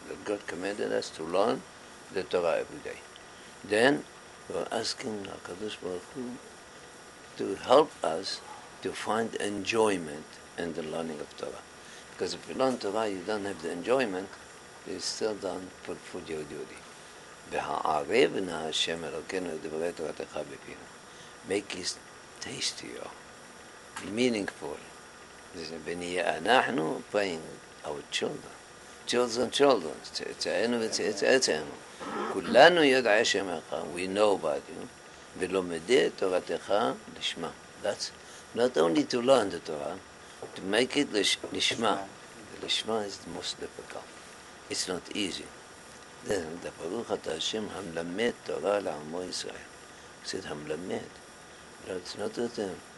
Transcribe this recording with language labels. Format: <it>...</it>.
<en>That God commanded us to learn the Torah every day. Then, we're asking HaKadosh Baruch Hu to help us to find enjoyment in the learning of Torah. Because if you learn Torah, you don't have the enjoyment, you still don't fulfill your duty.</en> <he>והערב נא השם אלוקינו לדברי תורתך בפינו.</he> <en>Make it tastier, meaningful. ונהיה אנחנו praying our children.</en> <he>Children, צאצאינו וצאצאינו. כולנו יודעי השם אלוקינו, we know about you, ולומדי תורתך לשמה.</he> <en>That's not only to learn the Torah, to make it לשמה. לשמה is the most difficult. It's not easy. Then the Baruch Ata Hashem Hamlamed Torah La'amo Yisrael. He said Hamlamed. No, it's not with them.</en>